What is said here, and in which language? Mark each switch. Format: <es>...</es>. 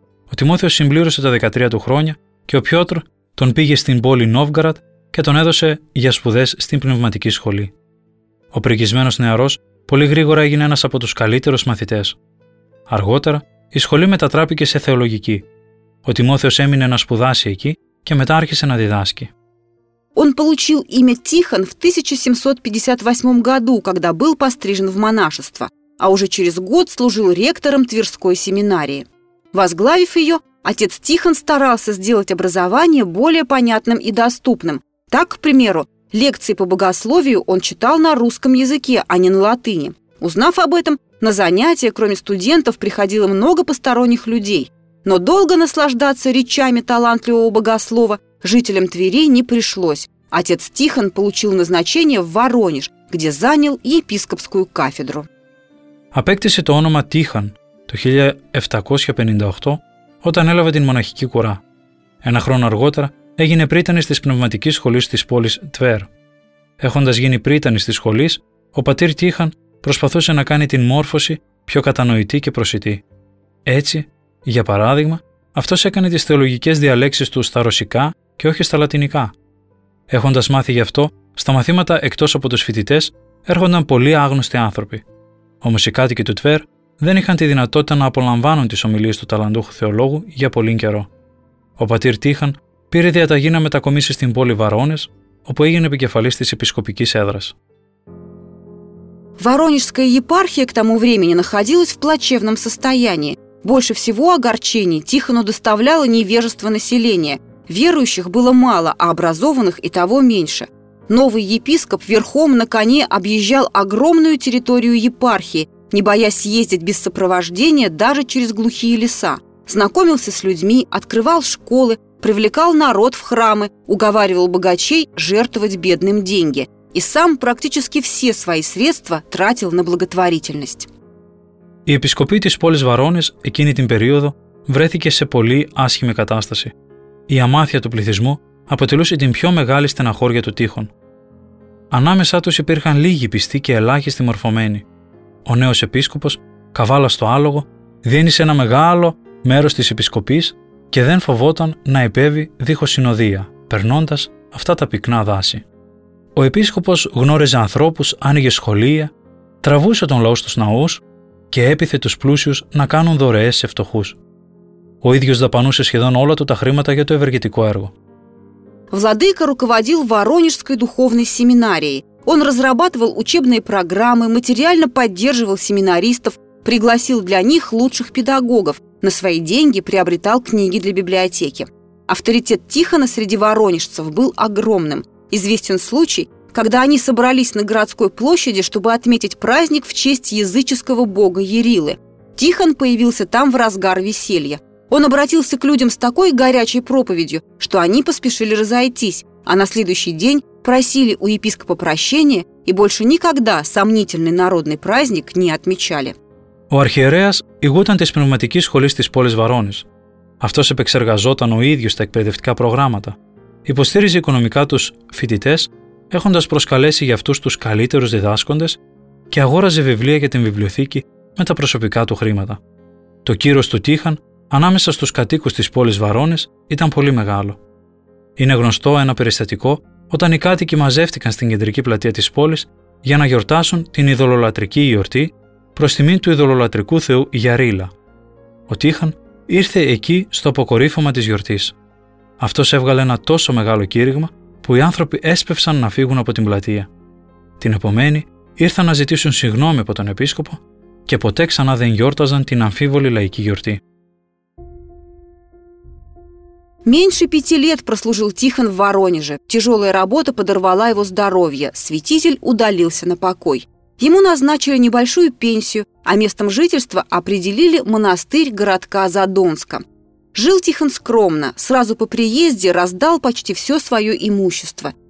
<el>Ο Τιμόθεος συμπλήρωσε τα 13 του χρόνια και ο Πιότρ τον πήγε στην πόλη Νόβγκαραντ και τον έδωσε για σπουδές στην πνευματική σχολή. Ο πριγκισμένος νεαρός πολύ γρήγορα έγινε ένας από τους καλύτερους μαθητές. Αργότερα η σχολή μετατράπηκε σε θεολογική. Ο Τιμόθεος έμεινε να σπουδάσει εκεί και μετά άρχισε να διδάσκει.</el> <ru>Он получил имя Тихон в 1758 году, когда был пострижен в монашество, а уже через год служил ректором Тверской семинарии. Возглавив ее, отец Тихон старался сделать образование более понятным и доступным. Так, к примеру, лекции по богословию он читал на русском языке, а не на латыни. Узнав об этом, на занятия, кроме студентов, приходило много посторонних людей. Но долго наслаждаться речами талантливого богослова жителям Твери не пришлось. Отец Тихон получил назначение в Воронеж, где занял епископскую кафедру.</ru> <el>Απέκτησε το όνομα Τίχαν το 1758, όταν έλαβε την μοναχική κουρά. Ένα χρόνο αργότερα έγινε πρίτανης της πνευματικής σχολής της πόλης Τβέρ. Έχοντας γίνει πρίτανης της σχολής, ο πατήρ Τίχαν προσπαθούσε να κάνει την μόρφωση πιο κατανοητή και προσιτή. Έτσι, για παράδειγμα, αυτός έκανε τις θεολογικές διαλέξεις του στα ρωσικά και όχι στα λατινικά. Έχοντας μάθει γι' αυτό, στα μαθήματα εκτός από τους φοιτητές έρχονταν πολλοί άγνωστοι άνθρωποι. Όμως οι κάτοικοι του Τβέρ δεν είχαν τη δυνατότητα να απολαμβάνουν τις ομιλίες του ταλαντούχου θεολόγου για πολύ καιρό. Ο πατήρ Τίχαν πήρε διαταγή να μετακομίσει στην πόλη Βαρόνες, όπου έγινε επικεφαλής της επισκοπικής έδρας.</el> <ru>Воронежская епархия к тому времени находилась в плачевном состоянии. Больше всего огорчений Тихону доставляло невежество населения. Верующих было мало, а образованных и того меньше. Новый епископ верхом на коне объезжал огромную территорию епархии, не боясь ездить без сопровождения даже через глухие леса. Знакомился с людьми, открывал школы, привлекал народ в храмы, уговаривал богачей жертвовать бедным деньги. И сам практически все свои средства тратил на благотворительность.</ru> <el>Η επισκοπή της πόλης Βαρόνης εκείνη την περίοδο βρέθηκε σε πολύ άσχημη κατάσταση. Η αμάθεια του πληθυσμού αποτελούσε την πιο μεγάλη στεναχώρια του Τείχων. Ανάμεσά τους υπήρχαν λίγοι πιστοί και ελάχιστοι μορφωμένοι. Ο νέος επίσκοπος, καβάλα στο άλογο, διένυσε ένα μεγάλο μέρος της επισκοπής και δεν φοβόταν να επέβει δίχως συνοδεία, περνώντας αυτά τα πυκνά δάση. Ο επίσκοπος γνώριζε ανθρώπους, άνοιγε σχολεία, τραβούσε τον λαό στους ναούς και έπειθε τους πλούσιους να κάνουν δωρεές σε φτωχούς. Ο ίδιος δαπανούσε σχεδόν όλα του τα χρήματα για το ευεργετικό έργο.</el> <ru>Владыка руководил Воронежской духовной семинарией. Он разрабатывал учебные программы, материально поддерживал семинаристов, пригласил для них лучших педагогов, на свои деньги приобретал книги для библиотеки. Авторитет Тихона среди воронежцев был огромным. Известен случай, когда они собрались на городской площади, чтобы отметить праздник в честь языческого бога Ярилы. Тихон появился там в разгар веселья. Он обратился к людям с такой горячей проповедью, что они поспешили разойтись, а на следующий день просили у епископа прощения и больше никогда сомнительный народный праздник не отмечали.</ru> <el>Ο αρχιερέας ηγούταν της πνευματικής σχολής της πόλης Βαρόνης. Αυτός επεξεργαζόταν ο ίδιος τα εκπαιδευτικά προγράμματα. Υποστήριζε οικονομικά τους φοιτητές, έχοντας προσκαλέσει για αυτούς τους καλύτερους διδάσκοντες και αγόραζε βιβλία για την βιβλιοθήκη με τα προσωπικά του χρήματα. Το κύρος του Τείχαν ανάμεσα στους κατοίκους της πόλης Βαρόνης ήταν πολύ μεγάλο. Είναι γνωστό ένα περιστατικό όταν οι κάτοικοι μαζεύτηκαν στην κεντρική πλατεία της πόλης για να γιορτάσουν την ειδωλολατρική γιορτή προς τιμή του ειδωλολατρικού θεού Γιαρίλα. Ο Τείχαν ήρθε εκεί στο αποκορύφωμα της γιορτής. Αυτός έβγαλε ένα τόσο μεγάλο κήρυγμα που οι άνθρωποι έσπευσαν να φύγουν από την πλατεία. Την επομένη ήρθαν να ζητήσουν συγγνώμη από τον επίσκοπο και ποτέ ξανά δεν γιόρταζαν την αμφίβολη λαϊκή γιορτή.</el> <ru>Меньше пяти лет прослужил Тихон в Воронеже. Тяжелая работа подорвала его здоровье. Святитель удалился на покой. Ему назначили небольшую пенсию, а местом жительства определили монастырь городка Задонска. Жил Тихон скромно, сразу по приезде раздал почти все свое имущество.</ru>